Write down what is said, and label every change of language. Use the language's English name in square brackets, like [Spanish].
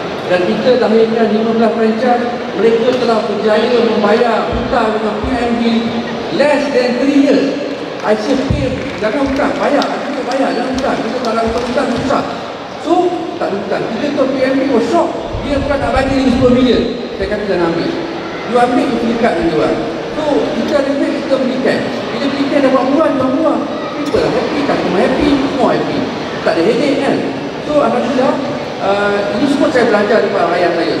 [Malay] Dan kita lahirkan 15 franchise, mereka telah berjaya membayar hutang dengan PMB [English] less than 3 years. I say, hey, [Malay] jangan hutang, bayar. Kita bayar, jangan hutang. Kita tak nak hutang, susah. So, tak ada hutang. Kita tahu PMP [English] was shock. [Malay] Dia bukan nak bagi ni 10 million. Saya kata, jangan ambil. You ambil, you beli kad dengan orang. So, kita ada duit, kita beli cash. Bila beli cash, dapat murah, jual murah. [English] People are happy, customer happy, semua happy. [Malay] Tak ada headache kan? So, alhamdulillah, ini semua saya belajar daripada ayah saya.